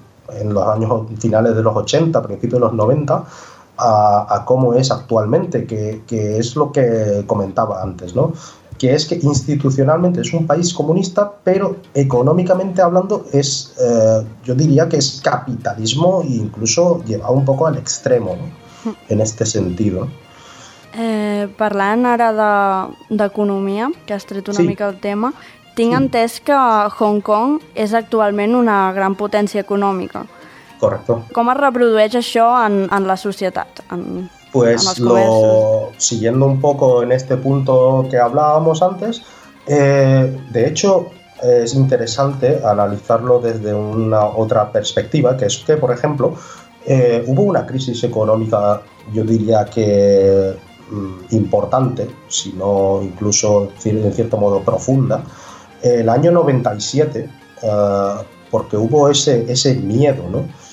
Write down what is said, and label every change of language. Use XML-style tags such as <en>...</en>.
<es>en los años finales de los 80, principios de los 90, a cómo es actualmente, que es lo que comentaba antes, ¿no? Que es que institucionalmente es un país comunista, pero económicamente hablando es, yo diría que es capitalismo e incluso llevado un poco al extremo, ¿no? En este sentido.</es> <ca>Parlant ara d'economia, que has tret una mica el tema, tinc entès que Hong Kong és actualment una gran potència econòmica. Correcte. Com es reprodueix això en la societat, pues en els comerços?</ca> <es>Siguiendo un poco en este punto que hablábamos antes, de hecho es interesante analizarlo desde una otra perspectiva, que es que, por ejemplo, hubo una crisis económica, yo diría que importante, sino incluso en cierto modo profunda, el año 97, porque hubo ese miedo, ¿no?</es>